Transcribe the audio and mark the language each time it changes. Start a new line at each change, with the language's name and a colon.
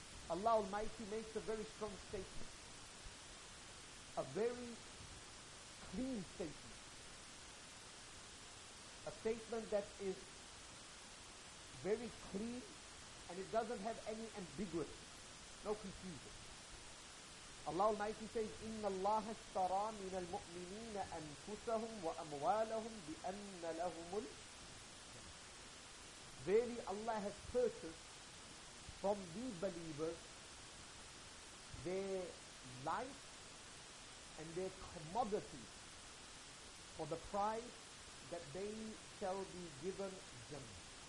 English: Allah Almighty makes a very strong statement. A very clean statement. A statement that is very clean and it doesn't have any ambiguity. No confusion. Allah Almighty says,
Arabic: إِنَّ اللَّهَ اشْتَرَى مِنَ الْمُؤْمِنِينَ أَنْفُسَهُمْ وَأَمْوَالَهُمْ بِأَنَّ لَهُمُ الْجَنَّةَ.
English: Verily Allah has purchased from the believers their life and their commodity for the price that they shall be given Jannah.